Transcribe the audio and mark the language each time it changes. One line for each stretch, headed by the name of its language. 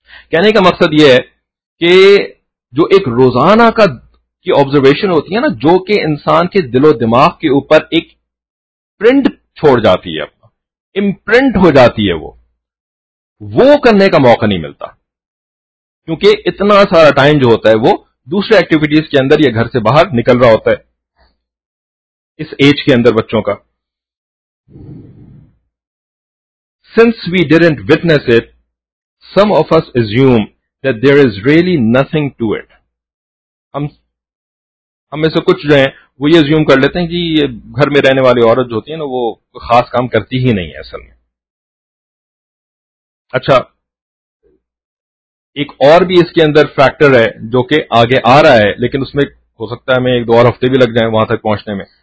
Urdu: کہنے کا مقصد یہ ہے کہ جو ایک روزانہ کا کی آبزرویشن ہوتی ہے نا, جو کہ انسان کے دل و دماغ کے اوپر ایک پرنٹ چھوڑ جاتی ہے, امپرنٹ ہو جاتی ہے, وہ کرنے کا موقع نہیں ملتا, کیونکہ اتنا سارا ٹائم جو ہوتا ہے وہ دوسرے ایکٹیویٹیز کے اندر یا گھر سے باہر نکل رہا ہوتا ہے اس ایج کے اندر بچوں کا.
English: Since we didn't witness it, some of us assume that there is really nothing to it.
Urdu: ہم میں سے کچھ جو ہیں وہ یہ ازیوم کر لیتے ہیں کہ یہ گھر میں رہنے والی عورت جو ہوتی ہے نا وہ خاص کام کرتی ہی نہیں ہے اصل میں. اچھا, ایک اور بھی اس کے اندر فیکٹر ہے جو کہ آگے آ رہا ہے, لیکن اس میں ہو سکتا ہے ہمیں ایک دو اور ہفتے بھی لگ جائیں وہاں تک پہنچنے میں.